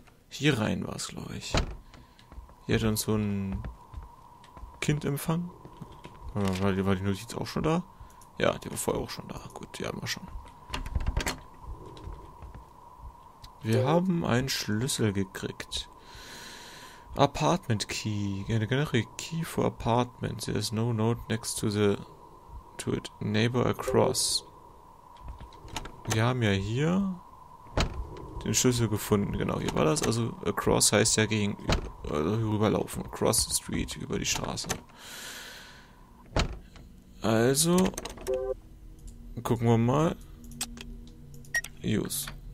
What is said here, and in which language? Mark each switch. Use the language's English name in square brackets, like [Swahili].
[German] Hier rein war es, glaube ich. Hier hat uns so ein Kind empfangen. War die Notiz auch schon da? Ja, die war vorher auch schon da. Gut, die haben wir schon. Wir haben einen Schlüssel gekriegt. [English] Apartment Key. Generic Key for Apartment. There is no note next to the to it. Neighbor across. [German] Wir haben ja hier den Schlüssel gefunden, genau hier war das. Also, across heißt ja gegenüber, also rüberlaufen, [English] across the street, [German] über die Straße. Also, gucken wir mal. Use.